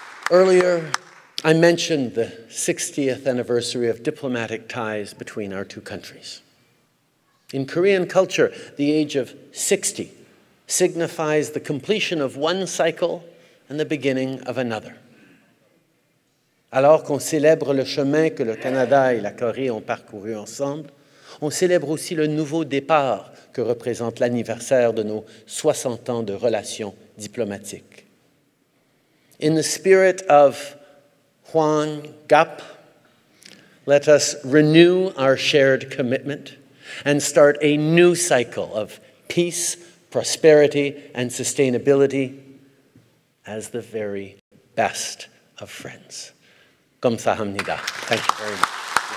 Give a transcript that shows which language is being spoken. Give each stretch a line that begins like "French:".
English: Earlier, I mentioned the 60th anniversary of diplomatic ties between our two countries. In Korean culture, the age of 60 signifies the completion of one cycle and the beginning of another.
French: Alors qu'on célèbre le chemin que le Canada et la Corée ont parcouru ensemble, on célèbre aussi le nouveau départ que représente l'anniversaire de nos 60 ans de relations diplomatiques.
English: In the spirit of Hwang Gap, let us renew our shared commitment and start a new cycle of peace, prosperity, and sustainability as the very best of friends.
Korean: Gamsahamnida.
English: Thank you very much.